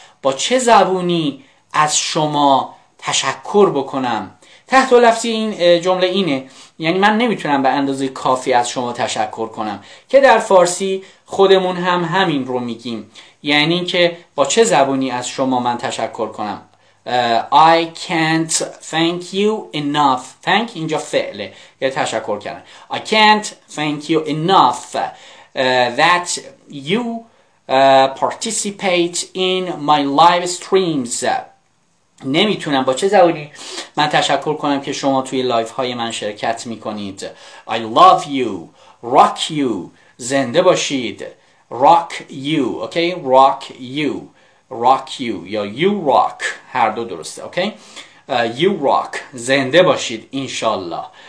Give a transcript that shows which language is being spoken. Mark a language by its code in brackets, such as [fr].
[fa] با چه زبونی از شما تشکر بکنم؟ تحت لفظی این جمله اینه، یعنی من نمیتونم به اندازه کافی از شما تشکر کنم، که در فارسی خودمون هم همین رو میگیم، یعنی که با چه زبونی از شما من تشکر کنم. [en] I can't thank you enough. [fa] Thank اینجا فعل یعنی تشکر کردن. [en] I can't thank you enough that you participate in my live streams. [fa] نمیتونم با چه زبانی من تشکر کنم که شما توی لایف های من شرکت میکنید. [en] I love you. Rock you. [fa] زنده باشید. [en] Rock you. Okay? Rock you. Rock you. [fa] یا [en] you rock. [fa] هر دو درسته. [en] Okay? You rock. [fa] زنده باشید. انشالله.